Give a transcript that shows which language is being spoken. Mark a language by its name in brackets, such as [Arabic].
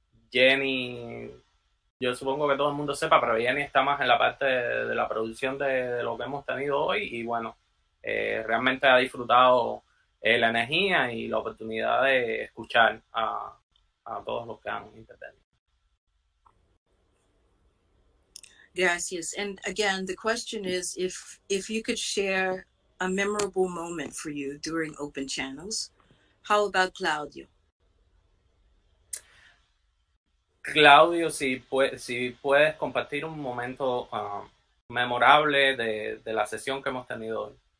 [Spanish] Jenny... Yo supongo que todo el mundo sepa, pero Jenny está más en la parte de la producción de lo que hemos tenido hoy y bueno, realmente ha disfrutado la energía y la oportunidad de escuchar a todos los que han intervenido. Gracias. [English] And again, the question is if you could share a memorable moment for you during Open Channels, how about Claudio? [Spanish] Claudio, si puedes compartir un momento memorable de la sesión que hemos tenido hoy.